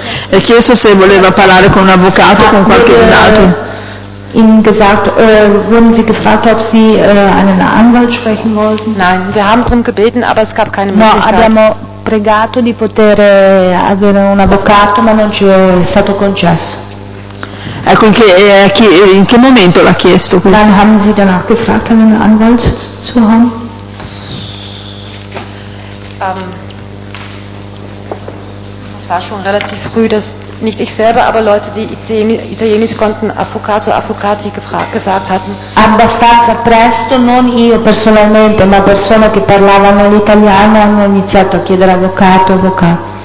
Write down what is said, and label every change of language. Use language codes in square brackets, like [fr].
[it] E chiesto se voleva parlare con un avvocato o con qualche altro. [de] Ihnen gesagt, wurden Sie gefragt, ob Sie einen Anwalt sprechen wollten? Nein, wir haben darum gebeten, aber es gab keine Möglichkeit. [it] No, pregato di poter avere un avvocato, ma non ci è stato concesso. Ecco, in che momento l'ha chiesto questo? [de] Dann haben Sie danach gefragt, einen Anwalt zu haben? Es war schon relativ früh, dass nicht ich selber, aber Leute, die Italienisch konnten, Avvocato, Avvocati gesagt hatten. [it] Abbastanza presto, non io personalmente, ma persone che parlavano l'italiano hanno iniziato a chiedere avvocato, avvocato.